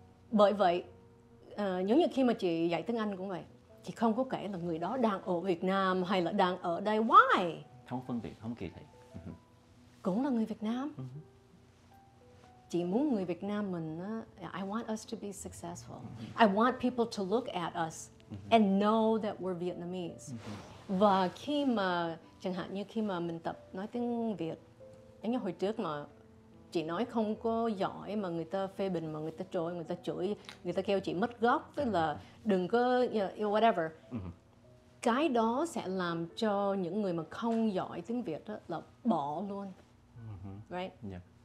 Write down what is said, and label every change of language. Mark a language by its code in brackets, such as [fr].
[vi] Bởi vậy, giống như khi mà chị dạy tiếng Anh cũng vậy, chị không có kể là người đó đang ở Việt Nam hay là đang ở đây. [en] Why? [vi] Không phân biệt, không kỳ thị. Cũng là người Việt Nam. Chị muốn người Việt Nam mình, [en] I want us to be successful. I want people to look at us and know that we're Vietnamese. [vi] Và khi mà, chẳng hạn như khi mà mình tập nói tiếng Việt, giống như hồi trước mà chị nói không có giỏi mà người ta phê bình, mà người ta trôi, người ta chửi, người ta kêu chị mất gốc, tức là đừng có, [en] you know, whatever. [vi] Cái đó sẽ làm cho những người mà không giỏi tiếng Việt đó là bỏ luôn. Right?